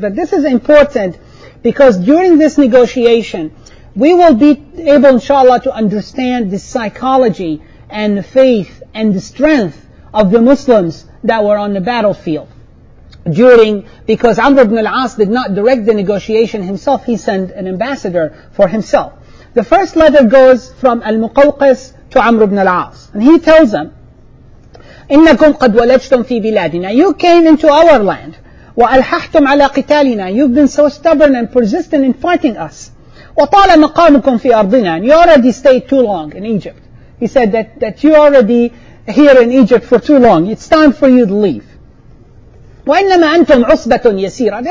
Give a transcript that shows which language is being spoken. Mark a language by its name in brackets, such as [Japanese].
[English] But this is important because during this negotiation, we will be able, inshallah, to understand the psychology and the faith and the strength of the Muslims that were on the battlefield. Because Amr ibn al-As did not direct the negotiation himself, he sent an ambassador for himself. The first letter goes from Al-Muqawqis to Amr ibn al-As. And he tells them, [Arabic] إِنَّكُمْ قَدْ وَلَجْتُمْ فِي بِلَادِنَا. [English] You came into our land. [Arabic] وَأَلْحَحْتُمْ عَلَىٰ قِتَالِنَا. [English] You've been so stubborn and persistent in fighting us. [Arabic] وَطَالَ مَقَامُكُمْ فِي أَرْضِنَا. [English] And you already stayed too long in Egypt. He said that you already here in Egypt for too long. It's time for you to leave. [Arabic] وَإِنَّمَا أَنْتُمْ عُصْبَةٌ يَسِيرًا.